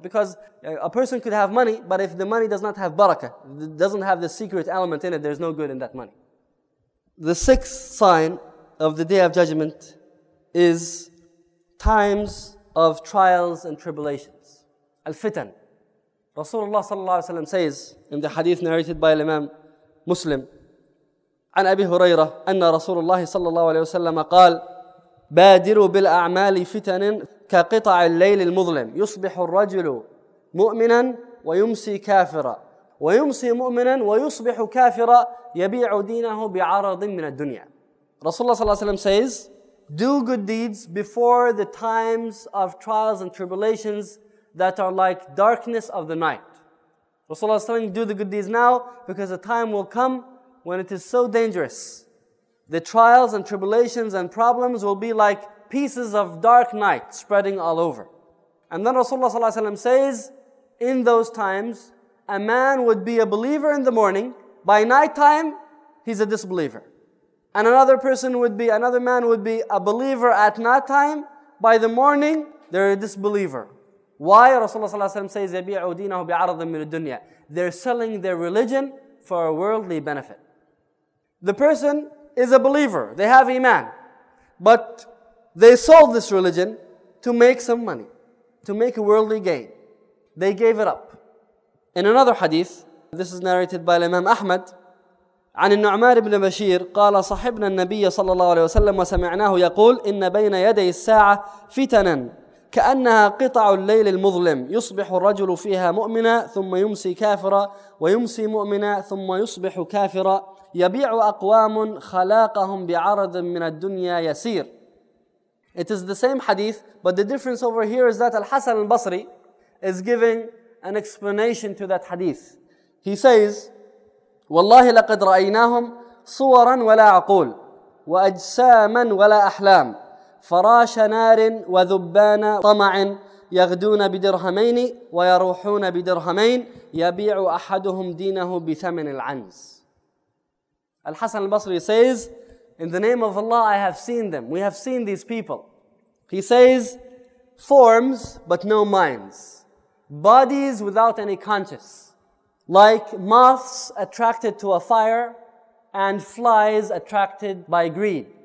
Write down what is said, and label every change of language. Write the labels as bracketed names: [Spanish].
[English] Because a person could have money, but if the money does not have barakah, doesn't have the secret element in it, there's no good in that money. The sixth sign of the Day of Judgment is times of trials and tribulations. Al-fitan. Rasulullah sallallahu alayhi wa sallam says in the hadith narrated by Imam Muslim, [Arabic] عن أبي هريرة أن رسول الله صلى الله عليه وسلم قال بادروا بالأعمال فتن كقطع الليل المظلم يصبح الرجل مؤمنا ويمسي كافرا ويمسي مؤمنا ويصبح كافرا يبيع دينه بعرض من الدنيا. [English] رسول الله صلى الله عليه وسلم says, do good deeds before the times of trials and tribulations that are like darkness of the night. رسول الله صلى الله عليه وسلم, do the good deeds now because the time will come when it is so dangerous. The trials and tribulations and problems will be like pieces of dark night spreading all over. And then Rasulullah ﷺ says, in those times, a man would be a believer in the morning. By nighttime, he's a disbeliever. And another man would be a believer at nighttime. By the morning, they're a disbeliever. Why? Rasulullah ﷺ says, [Arabic] يَبِيعُ دِينَهُ بِعَرَضٍ مِنَ الدُّنْيَا. [English] They're selling their religion for a worldly benefit. The person is a believer, they have iman, but they sold this religion to make some money, to make a worldly gain. They gave it up. In another hadith, this is narrated by Imam Ahmad, [Arabic] عن النعمان بن بشير قال صحبنا النبي صلى الله عليه وسلم وسمعناه يقول إن بين يدي الساعة فتنا كأنها قطع الليل المظلم يصبح الرجل فيها مؤمنا ثم يمسي كافرا ويمسي مؤمنا ثم يصبح كافرا يبيع أقوام خلاقهم بعرض من الدنيا يسير. [English] It is the same hadith, but the difference over here is that Al-Hasan al-Basri is giving an explanation to that hadith. He says, [Arabic] والله لقد رأيناهم صورا ولا عقول وأجساما ولا أحلام فراش نار وذبان طمع يغدون بدرهمين ويروحون بدرهمين يبيع أحدهم دينه بثمن العنز. [English] Al-Hasan al-Basri says, in the name of Allah, I have seen them. We have seen these people. He says, forms, but no minds. Bodies without any conscience. Like moths attracted to a fire and flies attracted by greed.